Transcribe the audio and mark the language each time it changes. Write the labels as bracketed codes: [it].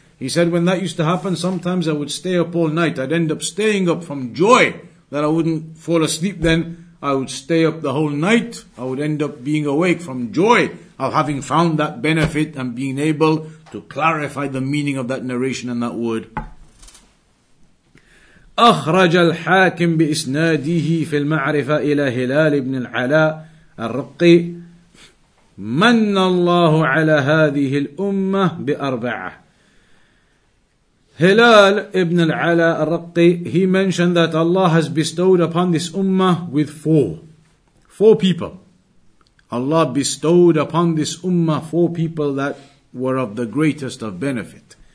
[en] He said, when that used to happen, sometimes I would stay up all night. I'd end up staying up from joy that I wouldn't fall asleep then. I would stay up the whole night. I would end up being awake from joy of having found that benefit and being able to clarify the meaning of that narration and that word. [ar] أخرج الحاكم بإسناده في المعرفة إلى هلال بن العلاء الرقي من الله على هذه الأمة بأربعة. [en] Hilal ibn al-Ala al-Raqqi, he mentioned that Allah has bestowed upon this ummah with four people. Allah bestowed upon this ummah four people that were of the greatest of benefit.